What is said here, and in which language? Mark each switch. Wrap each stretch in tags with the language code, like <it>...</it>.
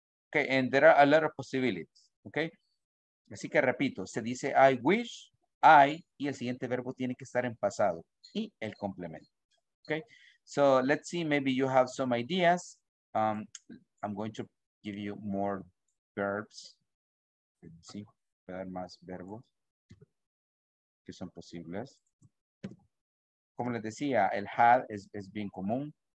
<en>Okay, and there are a lot of possibilities.</en> <es>Okay, así que repito, se dice</es> <en>I wish I,</en> <es>y el siguiente verbo tiene que estar en pasado, y el complemento.</es> <en>Okay, so let's see, maybe you have some ideas. I'm going to give you more verbs. Let's see,</en> <es>voy a dar más verbos que son posibles. Como les decía, el had es bien común.</es>